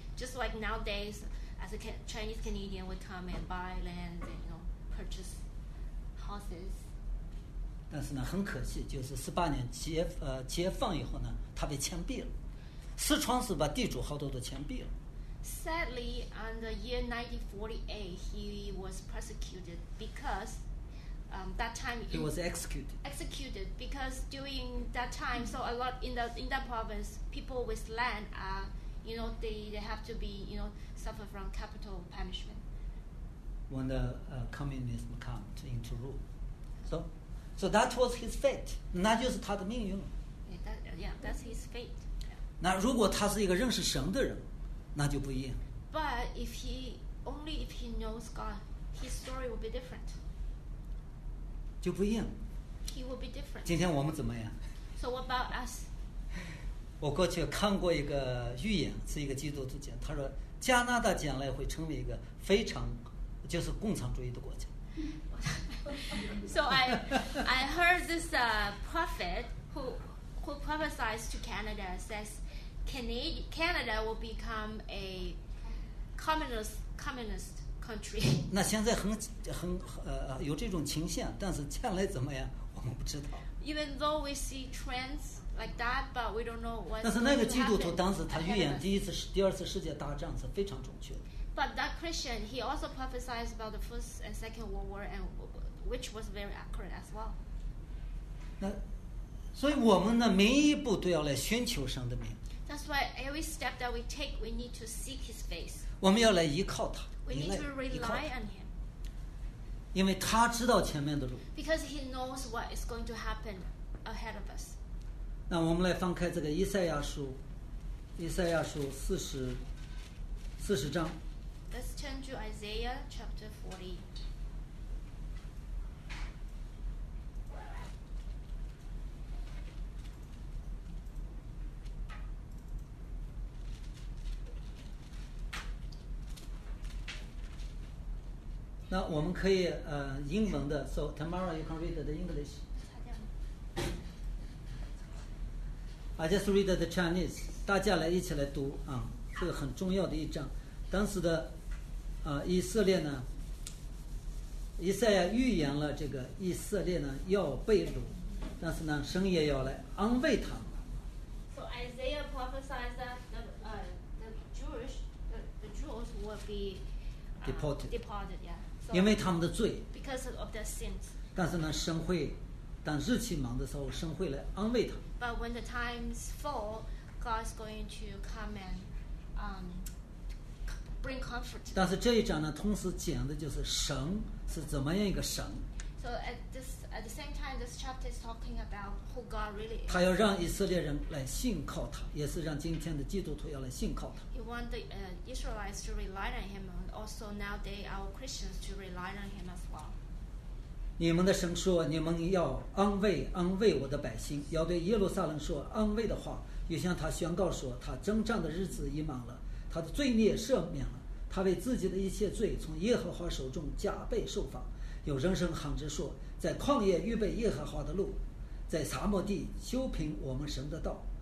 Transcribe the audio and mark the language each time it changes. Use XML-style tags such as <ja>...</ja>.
<en>Just like nowadays, as a Chinese Canadian would come and buy land and purchase houses.</en> <zh>但是呢，很可惜，就是48年解放以后呢，他被枪毙了。四川是把地主好多都枪毙了。</zh> <en>Sadly, in the year 1948, he was persecuted because that time he was executed. Executed because during that time, so a lot in that province, people with land are, they have to be, suffer from capital punishment. When the communism came into rule, so that was his fate.</en> <zh>那就是他的命运。</zh> <en>That's his fate.</en> <zh>那如果他是一个认识神的人。那就不一样。</zh> <en>But if he knows God, his story will be different.</en> <zh>就不一样。</zh> <en>He will be different.</en> <zh>今天我们怎么样</zh> <en>？So what about us?</en> <zh>我过去看过一个预言，是一个基督徒讲，他说加拿大将来会成为一个非常，就是共产主义的国家。</zh> <en>So I heard this prophet who prophesized to Canada says. Canada will become a communist country.</en> <zh>那现在很有这种倾向，但是将来怎么样，我们不知道。</zh> <en>Even though we see trends like that, but we don't know what.</en> <zh>但是那个基督徒当时他预言第二次世界大战是非常准确的。</zh> <en>But that Christian, he also prophesied about the First and Second World War, and which was very accurate as well.</en> <zh>那所以我们呢，每一步都要来寻求神的名。</zh> <en>That's why every step that we take, we need to seek His face.</en> <zh>我们要来依靠他。</zh> <en>We need to rely on Him.</en> <zh>因为他知道前面的路。</zh> <en>Because He knows what is going to happen ahead of us.</en> <zh>那我们来翻开这个以赛亚书，以赛亚书40章。</zh> <en>Let's turn to Isaiah chapter 40.</en> <zh>那我们可以英文的</zh> <en>，so tomorrow you can read the English. I just read the Chinese.</en> <zh>大家来一起来读啊，这个很重要的一章。当时的以色列呢，以赛亚预言了这个以色列呢要被掳，但是呢，神也要来安慰他们。</zh> <en>So Isaiah prophesied that the Jews will be deported. Deported, yeah.</en> <zh>因为他们的罪</zh> <en>because of their sins.</en> <zh>但是呢神会当日期忙的时候神会来安慰他</zh> <en>but when the times fall God is going to come and bring comfort to them.</en> <zh>但是这一章呢同时讲的就是神是怎么样一个神</zh> <en>so at the same time this chapter is talking about who God really is</en> <zh>他要让以色列人来信靠他也是让今天的基督徒要来信靠他</zh> <en>he want the Israelites to rely on himAlso now they are Christians to rely on him as well.</en> <zh>你们的神说，你们要安慰我的百姓，要对耶路撒冷说安慰的话，又向他宣告说，他征战的日子已满了，他的罪孽赦免了，他为自己的一切罪从耶和华手中加倍受罚。有人声喊着说，在旷野预备耶和华的路，在沙漠地修平我们神的道。</zh>